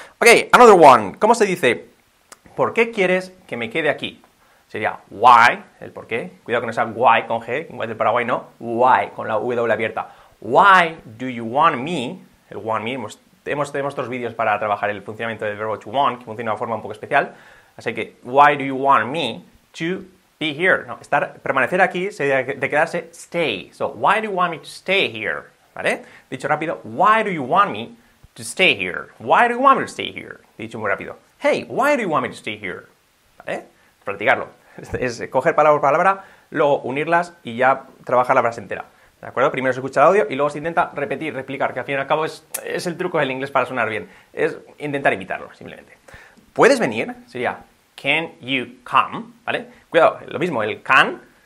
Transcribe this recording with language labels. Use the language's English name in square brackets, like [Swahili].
[English] Ok, another one. [Spanish] ¿Cómo se dice? ¿Por qué quieres que me quede aquí? Sería why, el por qué. Cuidado que no sea why con G, why del Paraguay, no. [English] Why, [Spanish] con la W abierta. [English] Why do you want me? [Spanish] El want me, tenemos otros vídeos para trabajar el funcionamiento del verbo to want, que funciona de una forma un poco especial. Así que, [English] why do you want me to be here? [Spanish] No, estar, permanecer aquí sería de quedarse stay. [English] So, why do you want me to stay here? [Spanish] ¿Vale? Dicho rápido, [English] why do you want me to stay here? Why do you want me to stay here? [Spanish] Dicho muy rápido, [English] hey, why do you want me to stay here? [Spanish] ¿Vale? Practicarlo. Es coger palabra por palabra, luego unirlas y ya trabajar la frase entera. ¿De acuerdo? Primero se escucha el audio y luego se intenta repetir, replicar, que al fin y al cabo es el truco del inglés para sonar bien. Es intentar imitarlo, simplemente. ¿Puedes venir? Sería, [English] can you come? [Spanish] ¿Vale? Cuidado, lo mismo, el can,